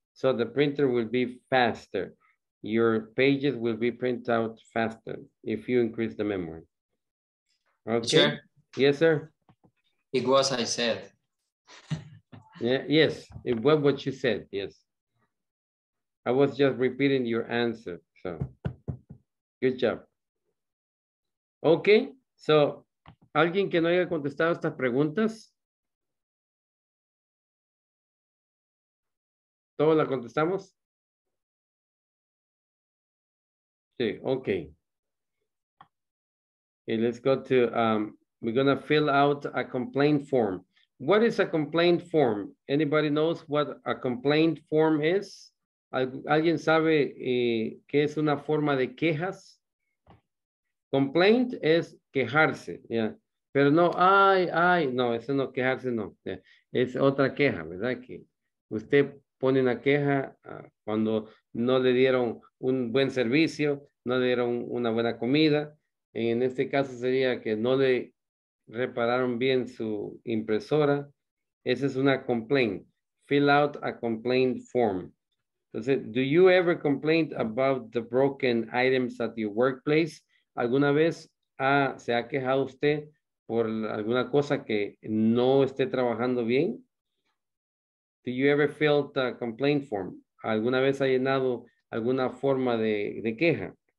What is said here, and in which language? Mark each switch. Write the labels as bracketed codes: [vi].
[en] So the printer will be faster. Your pages will be printed out faster if you increase the memory. Okay. Sure. Yes, sir. It was I said. Yeah, yes, it was what you said, yes. I was just repeating your answer, so. Good job. [es] Ok, so, ¿alguien que no haya contestado estas preguntas? ¿Todos la contestamos? Sí, ok. [en] Okay, let's go to, we're going to fill out a complaint form. What is a complaint form? Anybody knows what a complaint form is? [es] ¿Alguien sabe qué es una forma de quejas? Complaint es quejarse, yeah. Pero no, ay, no, eso no, quejarse no. Yeah. Es otra queja, ¿verdad? Que usted pone una queja cuando no le dieron un buen servicio, no le dieron una buena comida. En este caso sería que no le repararon bien su impresora. Esa es una [en] complaint. Fill out a complaint form. Entonces, do you ever complain about the broken items at your workplace? [es] ¿Alguna vez se ha quejado usted por alguna cosa que no esté trabajando bien? [en] Do you ever fill out a complaint form? [es] ¿Alguna vez ha llenado alguna forma de queja?